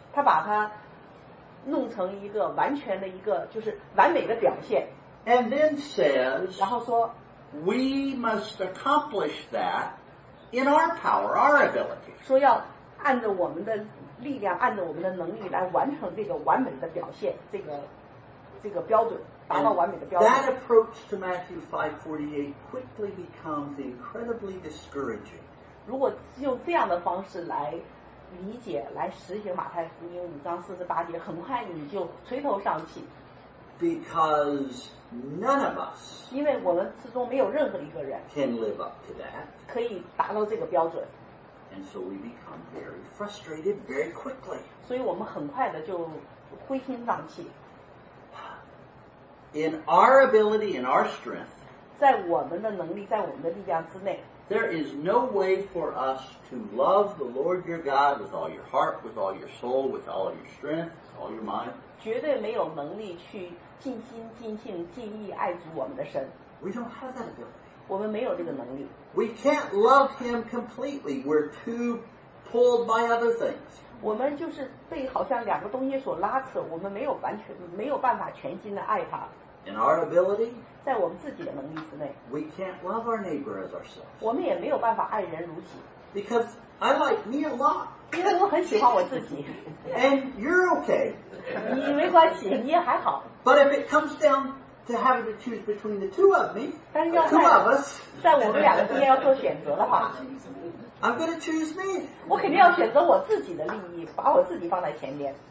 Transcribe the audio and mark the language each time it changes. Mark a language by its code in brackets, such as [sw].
[zh] 他把它弄成一个完全的一个，就是完美的表现。 [en] And then says, [zh] 然后说 [en] we must accomplish that. In our power, our ability. [zh] 说要按照我们的力量，按照我们的能力来完成这个完美的表现，这个标准，达到完美的标准。 [en] And that approach to Matthew 5:48 quickly becomes incredibly discouraging. [zh] 如果用这样的方式来理解、来实行马太福音五章四十八节，很快你就垂头丧气。 [en] Because none of us, [zh] 因为我们之中没有任何一个人 [en] can live up to that, [zh] 可以达到这个标准 [en] and so we become very frustrated very quickly. [zh] 所以我们很快的就灰心丧气 [en] In our ability, in our strength, [zh] 在我们的能力，在我们的力量之内 [en] there is no way for us to love the Lord your God with all your heart, with all your soul, with all your strength, with all your mind. [zh] 绝对没有能力去尽心尽性尽力爱主我们的神。 [en] We don't have that ability. [zh] 我们没有这个能力。 [en] We can't love him completely. We're too pulled by other things. [zh] 我们就是被好像两个东西所拉扯，我们没有完全没有办法全心的爱他。 [en] In our ability, [zh] 在我们自己的能力之内。 [en] We can't love our neighbor as ourselves. [zh] 我们也没有办法爱人如己。 [en] Because I like me a lot. [zh] 因为我很喜欢我自己。 [en] And you're okay. [zh] 你没关系，你也还好。 [en] But if it comes down to having to choose between the two of me, two of us, [zh] 在我们两个之间要做选择的话 [en] ，I'm going to choose me. [zh] 我肯定要选择我自己的利益，把我自己放在前面。